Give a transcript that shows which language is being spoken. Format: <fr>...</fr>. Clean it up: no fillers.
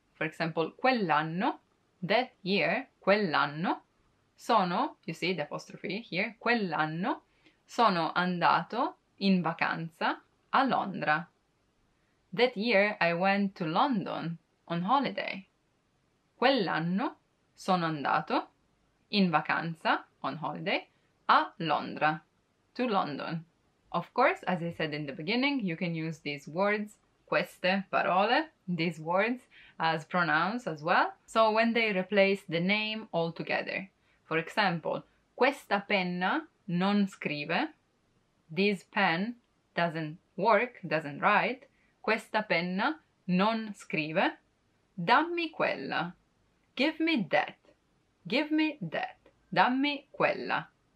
<en>For example,</en> <it>quell'anno,</it> <en>that year,</en> <it>quell'anno, sono,</it> <en>you see the apostrophe here,</en> <it>quell'anno, sono andato in vacanza a Londra.</it> <en>That year I went to London on holiday.</en> <it>Quell'anno sono andato in vacanza</it> <en>on holiday</en> <it>a Londra,</it> <en>to London. Of course, as I said in the beginning, you can use these words,</en> <it>queste parole,</it> <en>these words, as pronouns as well. So when they replace the name altogether. For example,</en> <it>questa penna non scrive,</it> <en>this pen doesn't work, doesn't write, questa penna non scrive,</en> <it>dammi quella,</it> <en>give me that, give me that, dammi quella.</en>